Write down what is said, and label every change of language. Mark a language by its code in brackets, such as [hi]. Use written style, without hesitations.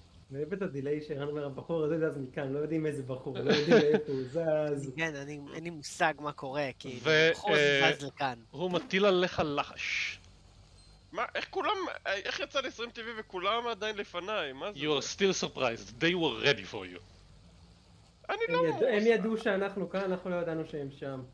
[he] אני אוהב את הדיליי שאירן אומר, הבחור הזה זז מכאן, לא יודעים איזה בחור, לא יודעים איפה הוא זז. כן, אין לי מושג מה קורה, כי הבחור זז לכאן. הוא מטיל עליך לחש. מה, איך כולם, איך יצא לי 20 TV וכולם עדיין לפניי, מה זה? [en] You are still surprised, they were ready for you. [he] אני לא מופתע. הם ידעו שאנחנו כאן, אנחנו לא ידענו שהם שם.